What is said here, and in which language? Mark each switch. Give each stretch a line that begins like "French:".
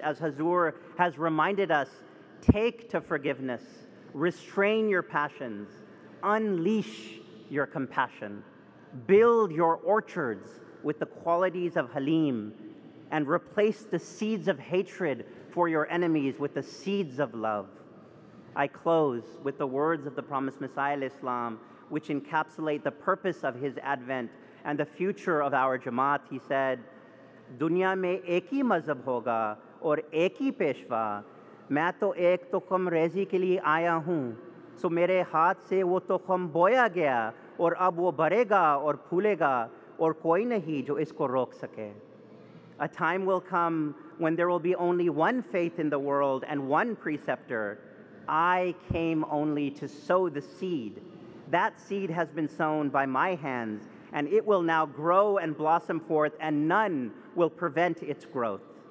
English: As Hazur has reminded us, take to forgiveness, restrain your passions, unleash your compassion, build your orchards with the qualities of Halim, and replace the seeds of hatred for your enemies with the seeds of love. I close with the words of the Promised Messiah, Islam, which encapsulate the purpose of his advent and the future of our Jamaat. He said,
Urdu: دنیا میں ایک ہی مذہب ہوگا اور ایک ہی پیشوا۔ میں تو ایک تخم ریزی کے لیے آیا ہوں۔ سو میرے ہاتھ سے وہ تخم بویا گیا اور اب وہ بڑھیگا اور پھولیگا اور کوئی نہیں جو اسکو روک سکے۔
English: A time will come when there will be only one faith in the world and one preceptor. I came only to sow the seed. That seed has been sown by my hands, and it will now grow and blossom forth, and none will prevent its growth.